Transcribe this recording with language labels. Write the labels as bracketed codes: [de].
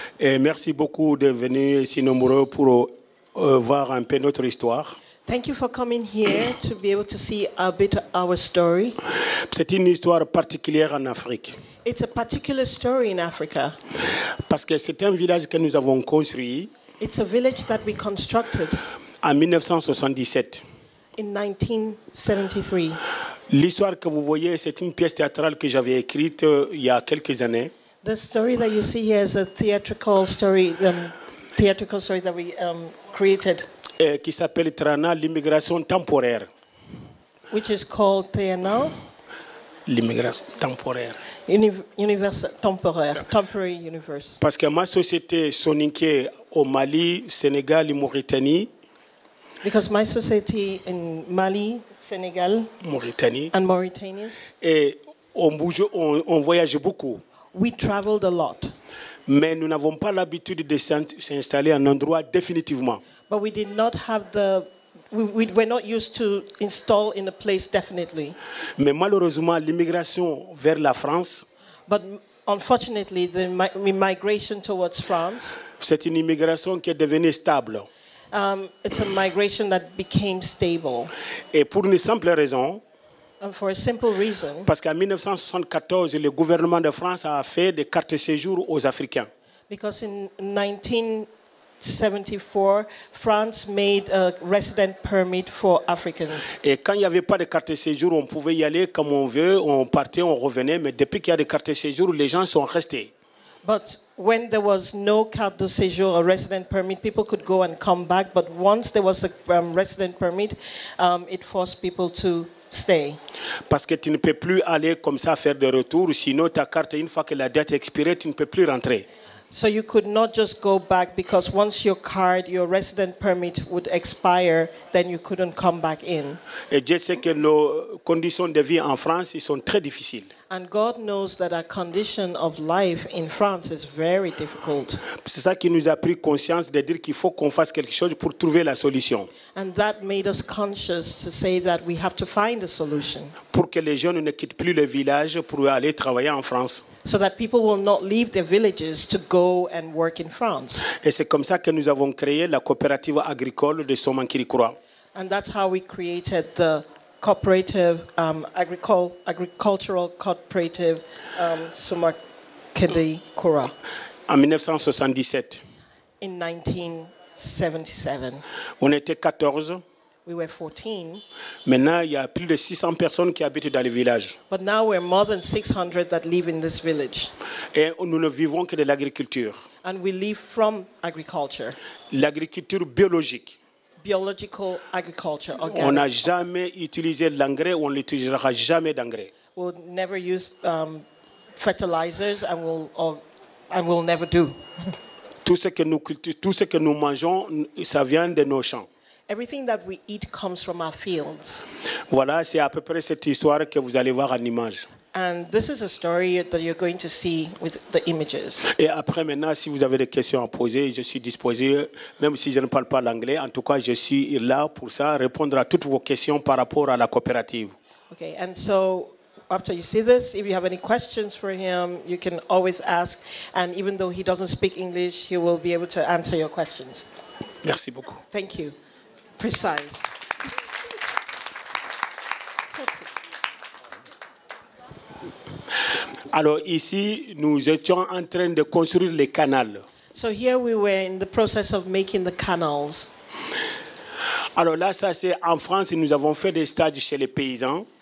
[fr] Et merci beaucoup de venir si nombreux pour voir un peu notre histoire. [en] Thank you for coming here to be able to see a bit of our story. [fr] C'est une histoire particulière en Afrique. [en] It's a particular story in Africa. [fr] Parce que c'est un village que nous avons construit. [en] It's a village that we constructed. [fr] En 1977. [en] In 1973. [fr] L'histoire que vous voyez, c'est une pièce théâtrale que j'avais écrite il y a quelques années. [en] The story that you see here is a theatrical story that we created. [fr] Qui s'appelle Trana, l'immigration temporaire. [en] Which is called Trana. [fr] L'immigration temporaire. [en] Temporary universe. [fr] Parce que ma société Soninké au Mali, Sénégal et Mauritanie. [en] Because my society in Mali, Sénégal, [fr] Mauritanie, [en] and Mauritanians. [fr] Et on voyage beaucoup. [en] We traveled a lot. [fr] Mais nous n'avons pas l'habitude de s'installer à un endroit définitivement. [en] But we did not have the, we were not used to install in a place definitely. [fr] Mais malheureusement, l'immigration vers la France. [en] But unfortunately, the migration towards France. [fr] C'est une immigration qui est devenue stable. [en] It's a migration that became stable. [fr] Et pour une simple raison. [en] And for a simple reason. [fr] Parce qu'en 1974, le gouvernement de France a fait des cartes séjour aux Africains. [en] Because in 1974, France made a resident permit for Africans. [fr] Et quand il n'y avait pas de carte séjour, on pouvait y aller comme on veut, on partait, on revenait, mais depuis qu'il y a des cartes séjour, les gens sont restés. [en] But when there was no carte de séjour, a resident permit, people could go and come back, but once there was a resident permit, it forced people to stay. [fr] Parce que tu ne peux plus aller comme ça faire des retours, sinon ta carte, une fois que la date expirée, tu ne peux plus rentrer. [en] So you could not just go back because once your card, your resident permit would expire, then you couldn't come back in. [fr] Et Dieu sait que nos conditions de vie en France sont très difficiles. [en] And God knows that our condition of life in France is very difficult. [fr] C'est ça qui nous a pris conscience de dire qu'il faut qu'on fasse quelque chose pour trouver la solution. [en] And that made us conscious to say that we have to find a solution. [fr] Pour que les jeunes ne quittent plus le village pour aller travailler en France. [en] So that people will not leave their villages to go and work in France. [fr] Et c'est comme ça que nous avons créé la coopérative agricole de Somankidi Coura. [en] And that's how we created the cooperative agricultural cooperative Somankidi Coura. [fr] En 1977. [en] In 1977. [fr] On était 14. [en] We were 14. [fr] Maintenant, il y a plus de 600 personnes qui habitent dans le village. [en] But now we're more than 600 that live in this village. [fr] Et nous ne vivons que de l'agriculture. [en] And we live from agriculture. [fr] L'agriculture biologique. [en] Biological agriculture. Organic. [fr] On n'a jamais utilisé l'engrais, on n'utilisera jamais d'engrais. [en] We'll never use fertilizers and we'll never do. [fr] Tout ce que nous mangeons, ça vient de nos champs. [en] Everything that we eat comes from our fields. [fr] Voilà, c'est à peu près cette histoire que vous allez voir en image. [en] And this is a story that you're going to see with the images. [fr] Et après maintenant, si vous avez des questions à poser, je suis disposé, même si je ne parle pas l'anglais, en tout cas, je suis là pour ça, répondre à toutes vos questions par rapport à la coopérative. [en] Okay, and so after you see this, if you have any questions for him, you can always ask. And even though he doesn't speak English, he will be able to answer your questions. [fr] Merci beaucoup. [en] Thank you. Precise. [fr] Alors ici, nous étions en train de construire les canals. [en] So here we were in the process of making the canals. [fr] Alors là, ça c'est en France, nous avons fait des stages chez les paysans.